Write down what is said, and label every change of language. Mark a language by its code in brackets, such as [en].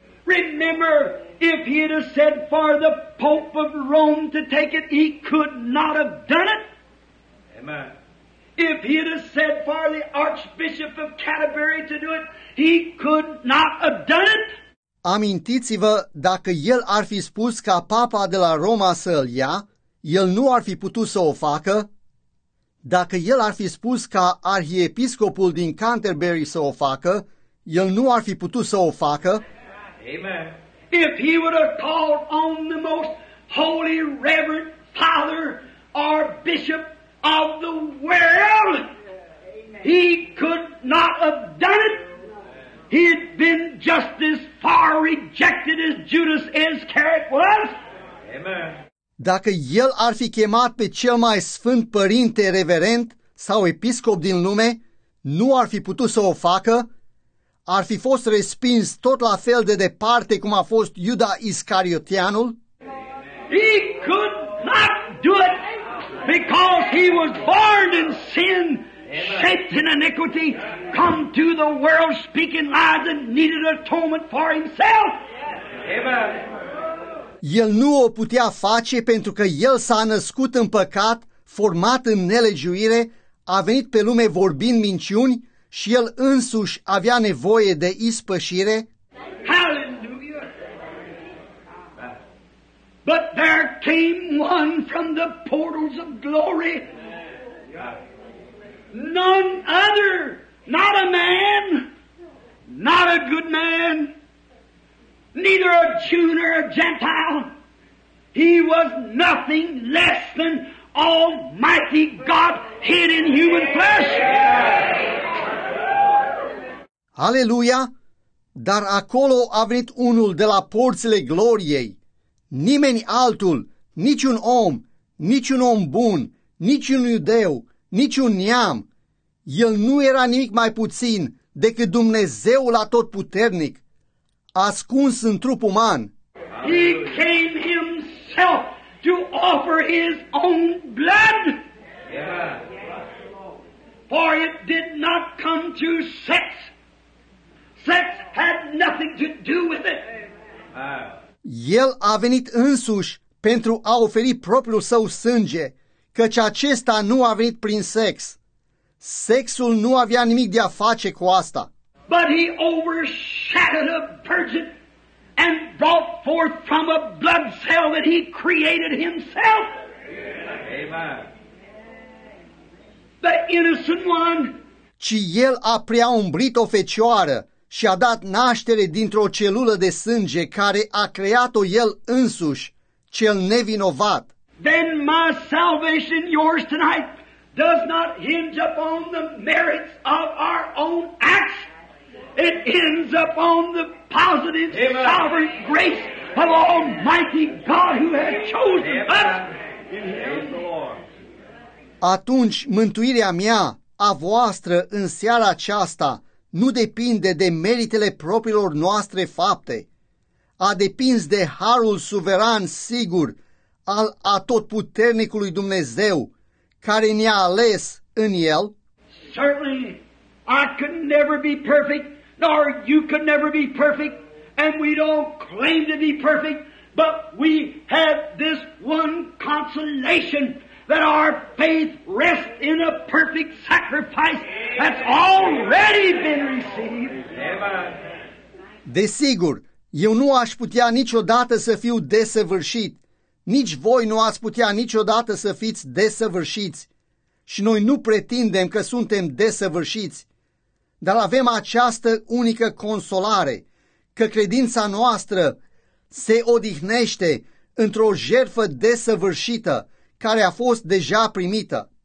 [en] Remember, if he had said for the Pope of Rome to take it, he could not have done it. Amen. If he had said for the Archbishop of Canterbury to do it, he could not have done it. [ro] Amintiți-vă, dacă el ar fi spus ca papa de la Roma să îl ia, el nu ar fi putut să o facă. Dacă el ar fi spus ca arhiepiscopul din Canterbury să o facă, el nu ar fi putut să o facă. [en] Amen. If he would have called on the most holy, reverend father or bishop of the world, he could not have done it. He had been just as far rejected as Judas Iscariot was. Amen. [ro] Dacă el ar fi chemat pe cel mai sfânt părinte reverent sau episcop din lume, nu ar fi putut să o facă. Ar fi fost respins tot la fel de departe cum a fost Iuda Iscariotianul? [en] He could not do it because he was born in sin, shaped in iniquity, come to the world speaking lies and needed atonement for himself. Amen. [ro] El nu o putea face pentru că el s-a născut în păcat, format în nelegiuire, a venit pe lume vorbind minciuni și el însuși avea nevoie de ispășire. [en] Hallelujah. But there came one from the portals of glory. None other, not a man, not a good man, neither a Jew nor a Gentile. He was nothing less than Almighty God hid in human flesh. [ro] Aleluia! Dar acolo a venit unul de la porțile gloriei. Nimeni altul, niciun om, niciun om bun, niciun iudeu, niciun neam. El nu era nimic mai puțin decât Dumnezeul atotputernic, ascuns în trup uman. [en] He came himself to offer his own blood. For it did not come to sex. Sex had nothing to do with it. [ro] El a venit însuși pentru a oferi propriul său sânge, căci acesta nu a venit prin sex. Sexul nu avea nimic de a face cu asta. [en] But he overshadowed a virgin and brought forth from a blood cell that he created himself. Amen. The innocent one. [ro] Ci el a preaumbrit o fecioară și a dat naștere dintr-o celulă de sânge care a creat-o el însuși, cel nevinovat. [en] Then my salvation, yours tonight, does not hinge upon the merits of our own acts. It ends upon the positive, Amen. Sovereign grace of Almighty God who has chosen Amen. Us. [ro] Atunci, mântuirea mea, a voastră, în seara aceasta, nu depinde de meritele propriilor noastre fapte. A depins de harul suveran sigur al atotputernicului Dumnezeu, care ne-a ales în El. [en] Certainly, I could never be perfect. Nor you could never be perfect, and we don't claim to be perfect, but we have this one consolation that our faith rests in a perfect sacrifice that's already been received. [ro] Desigur, eu nu aș putea niciodată să fiu desăvârșit, nici voi nu ați putea niciodată să fiți desăvârșiți, și noi nu pretindem că suntem desăvârșiți. Dar avem această unică consolare, că credința noastră se odihnește într-o jertfă desăvârșită care a fost deja primită.